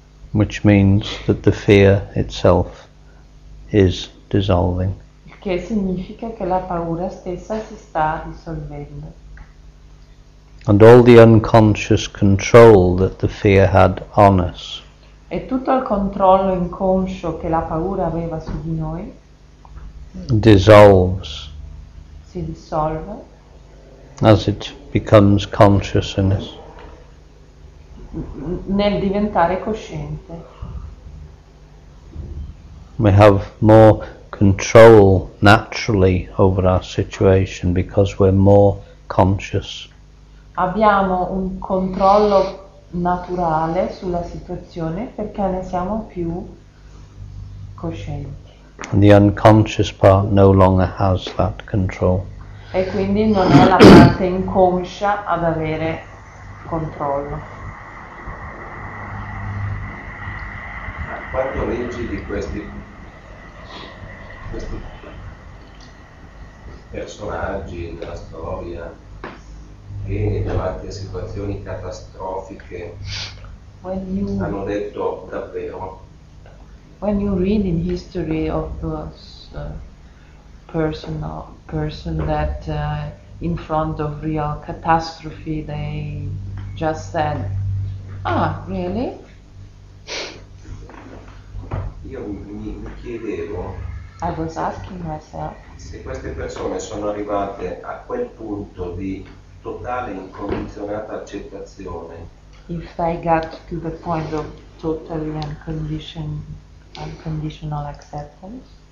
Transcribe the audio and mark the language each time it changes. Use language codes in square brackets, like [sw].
[en] Which means that the fear itself is dissolving. [it] Che significa che la paura stessa si sta dissolvendo. [en] And all the unconscious control that the fear had on us. [it] E tutto il controllo inconscio che la paura aveva su di noi [en] dissolves. [it] Si dissolve. [en] As it becomes consciousness. [it] Nel diventare cosciente. [en] We have more control naturally over our situation because we're more conscious. [it] Abbiamo un controllo naturale sulla situazione perché ne siamo più coscienti. [en] And the unconscious part no longer has that control. [it] E quindi non è la parte inconscia ad avere controllo. Quanto leggi di questi personaggi della storia viene davanti a situazioni catastrofiche hanno detto davvero. [en] When you read in history of those person that in front of real catastrophe they just said, ah, really? [it] Io mi chiedevo. [en] I was asking myself. [it] Se queste persone sono arrivate a quel punto di totale incondizionata accettazione. [en] If they got to the point of totally unconditional acceptance.